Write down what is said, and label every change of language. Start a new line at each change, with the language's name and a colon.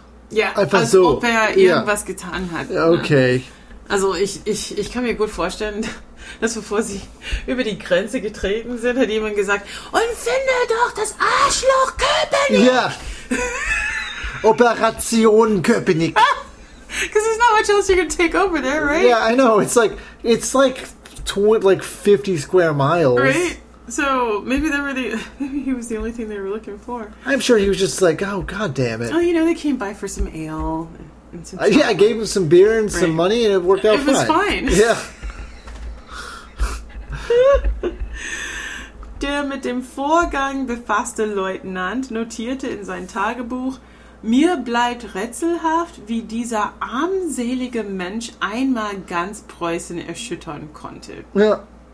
German: Ja, einfach als so. Ob er irgendwas getan hat. Okay. Ne? Also ich kann mir gut vorstellen, dass bevor sie über die Grenze getreten sind, hat jemand gesagt, und finde doch das Arschloch Köpenick! Ja. Operation Köpenick.
English: Because there's not much else you can take over there, right? Yeah, I know. It's like 50 square miles. Right? So, maybe he was the only thing they were looking for. I'm sure he was just like, oh, god damn it. Oh, you know, they came by for some ale and some Yeah, I gave him some beer and some money and it worked out fine. It was fine. Yeah.
German: Der mit dem Vorgang befasste Leutnant notierte in sein Tagebuch, mir bleibt rätselhaft, wie dieser armselige Mensch einmal ganz Preußen erschüttern konnte. Ja.